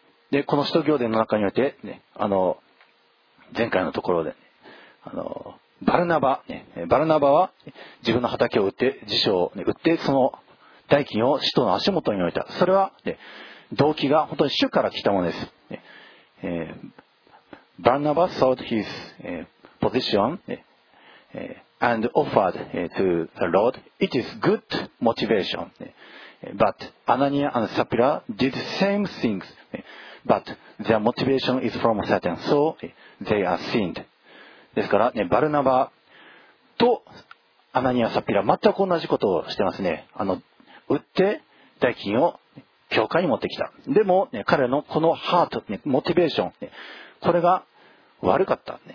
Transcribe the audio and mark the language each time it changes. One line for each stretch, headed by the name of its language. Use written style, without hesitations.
Japanese: で、この使徒行伝の中において、ね、あの前回のところで、あのバルナバ、ね、バルナバは自分の畑を売って、辞書を、ね、売って、その代金を使徒の足元に置いた。それは、ね、動機が本当に主から来たものです。
English: ね、バルナバ sold his position、ね、and offered to the Lord. It is good motivation. But Anania and Sapphira did the same things. But their motivation is from Satan. So they are sinned.
Japanese: ですから、ね、バルナバとアナニア、サピラ全く同じことをしてますね。あの売って代金を教会に持ってきた。でも、ね、彼のこのハート、ね、モチベーション、ね、これが悪かった。